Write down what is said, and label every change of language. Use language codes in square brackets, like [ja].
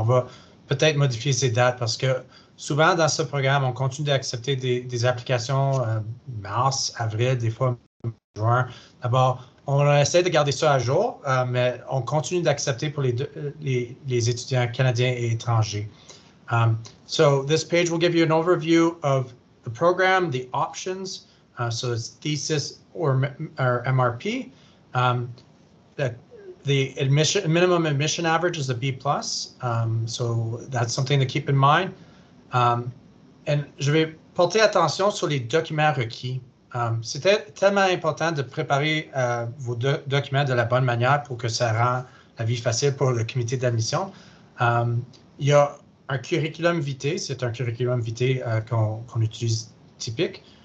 [fr] On va peut-être modifier ces dates parce que souvent dans ce programme, on continue d'accepter des applications mars, avril, des fois juin. D'abord, on essaie de garder ça à jour, mais on continue d'accepter pour les étudiants canadiens et étrangers. [en] So this page will give you an overview of the program, the options, so it's thesis or MRP, The admission minimum admission average is a B+, so that's something to keep in mind. [fr] And je vais porter attention sur les documents requis. C'était tellement important de préparer vos documents de la bonne manière pour que ça rende la vie facile pour le comité d'admission. Il y a un curriculum vitae, c'est un curriculum vitae qu'on utilise typique.